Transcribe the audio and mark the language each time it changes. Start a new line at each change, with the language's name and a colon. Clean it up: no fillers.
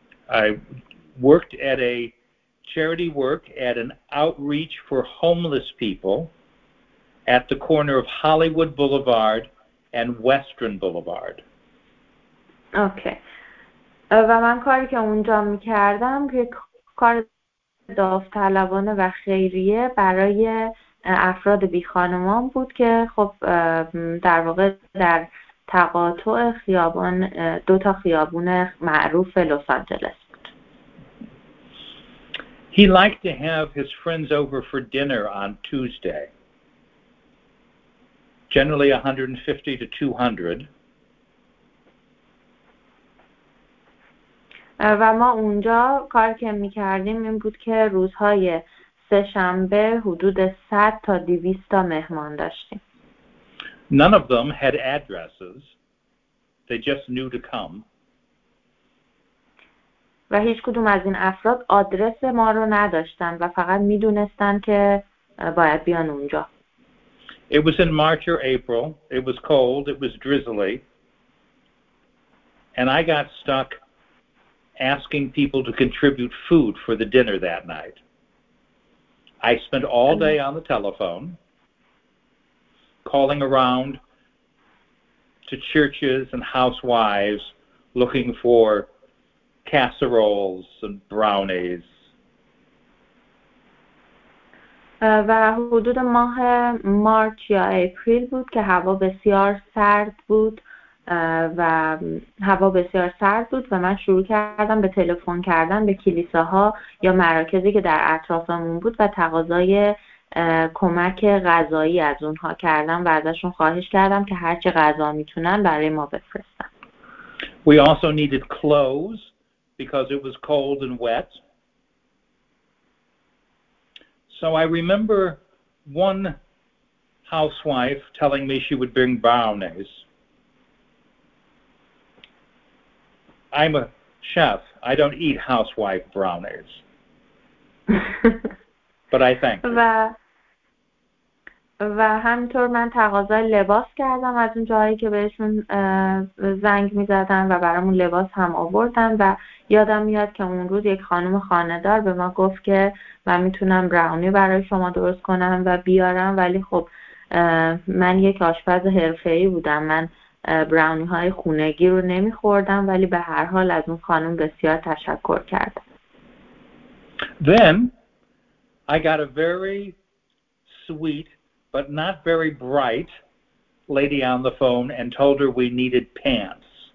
English: I worked at a charity work at an outreach for homeless people at the corner of Hollywood Boulevard and Western Boulevard. Okay.
Persian: و من کاری که اونجا میکردم که کار داوطلبانه و خیریه برای افراد بیخانمان بود که خب در واقع در تقاطع خیابان دو تا خیابون معروف لس آنجلس بود.
English: He liked to have his friends over for dinner on Tuesday. Generally 150 to 200.
Persian: و ما اونجا کار که می‌کردیم این بود که روزهای سه شنبه حدود 100 تا 200 تا مهمان داشتیم.
English: None of them had addresses. They just knew to come.
Persian: و هیچ کدوم از این افراد آدرس ما رو نداشتن و فقط می‌دونستان که باید بیان اونجا.
English: It was in March or April. It was cold. It was drizzly. And I got stuck asking people to contribute food for the dinner that night. I spent all day on the telephone, calling around to churches and housewives, looking for casseroles and brownies.
Persian: و حدود ماه مارچ یا اپریل بود که هوا بسیار سرد بود. و هوا بسیار سرد بود و من شروع کردم به تلفن کردن به کلیساها یا مراکزی که در اطرافمون بود و تقاضای کمک غذایی از اونها کردم و ازشون خواهش کردم که هرچی غذا میتونن برای ما بفرستن.
English: We also needed clothes because it was cold and wet. So I remember one housewife telling me she would bring brownies. I'm a chef. I don't eat housewife brownies. But I thank you.
Persian: و همینطور من تقاضا لباس کردم از اون جایی که بهشون زنگ می‌زدن و برامون لباس هم آوردن و یادم میاد که اون روز یک خانم خانه‌دار به ما گفت که من میتونم براونی برای شما درست کنم و بیارم ولی خب من یک آشپز حرفه‌ای بودم من براونی های خونگی رو نمی خوردم ولی به هر حال از اون خانم بسیار تشکر کردم.
English: Then I got a very sweet but not very bright lady on the phone and told her we needed pants.